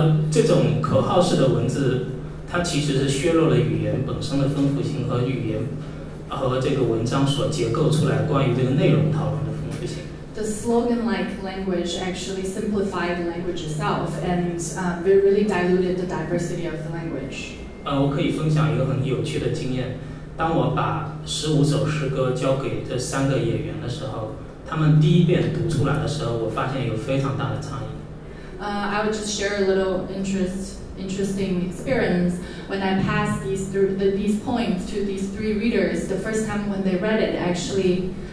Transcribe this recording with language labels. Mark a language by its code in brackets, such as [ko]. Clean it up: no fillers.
[zh] 这种口号式的文字，它其实是削弱了语言本身的丰富性和语言和这个文章所结构出来关于这个内容讨论的丰富性。 [en] The slogan-like language actually simplified the language itself and really diluted the diversity of the language. [zh] 我可以分享一个很有趣的经验。当我把十五首诗歌交给这三个演员的时候，他们第一遍读出来的时候，我发现有非常大的差异。 [en] I would just share a little interesting experience. When I passed these points to these three readers, the first time when they read it, actually,